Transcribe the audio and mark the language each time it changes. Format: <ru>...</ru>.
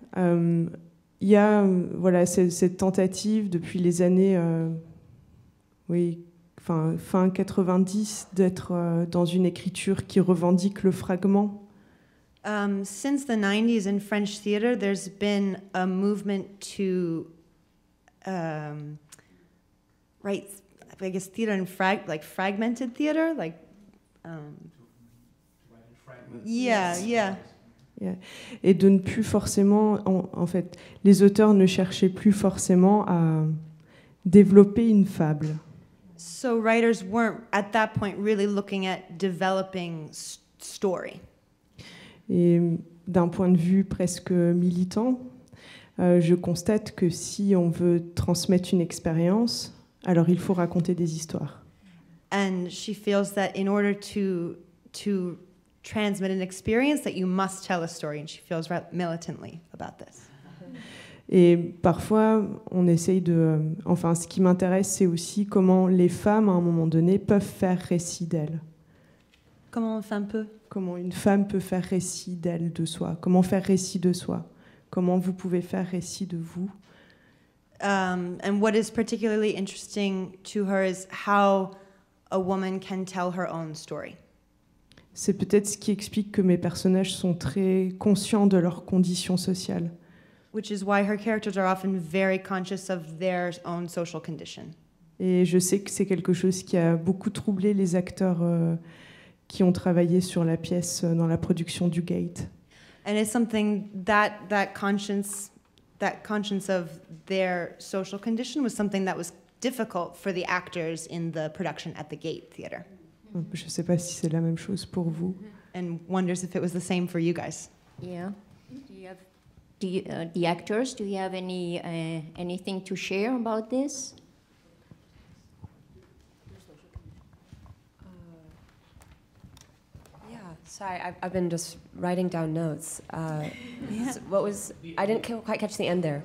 <fr>Il y a voilà cette tentative depuis les années fin 90 d'être dans une écriture qui revendique le fragment.</fr> <en>Since the 90s in French theater, there's been a movement to write, I guess, theater in fragmented theater, like.</en> <fr>Et de ne plus forcément, en fait, les auteurs ne cherchaient plus forcément à développer une fable.</fr> <en>So writers weren't at that point really looking at developing story.</en> <fr>Et d'un point de vue presque militant, je constate que si on veut transmettre une expérience, alors il faut raconter des histoires.</fr> <en>And she feels that in order to transmit an experience, that you must tell a story, and she feels militantly about this.</en> <fr>Et parfois, on essaye de. Enfin, ce qui m'intéresse, c'est aussi comment les femmes, à un moment donné, peuvent faire récit d'elles. Comment une femme peut. Comment une femme peut faire récit d'elle, de soi. Comment faire récit de soi. Comment vous pouvez faire récit de vous.</fr> <en>And what is particularly interesting to her is how a woman can tell her own story.</en> <fr>C'est peut-être ce qui explique que mes personnages sont très conscients de leurs conditions sociales.</fr> <en>Which is why her characters are often very conscious of their own social condition.</en> <fr>Et je sais que c'est quelque chose qui a beaucoup troublé les acteurs qui ont travaillé sur la pièce dans la production du Gate.</fr> <en>And it's something that conscience of their social condition was something that was difficult for the actors in the production at the Gate Theater.</en> <fr>Je sais pas si c'est la même chose pour vous.</fr> <en>And wonders if it was the same for you guys. Yeah. The actors, do you have anything to share about this? Sorry, I've been just writing down notes. I didn't quite catch the end there.</en>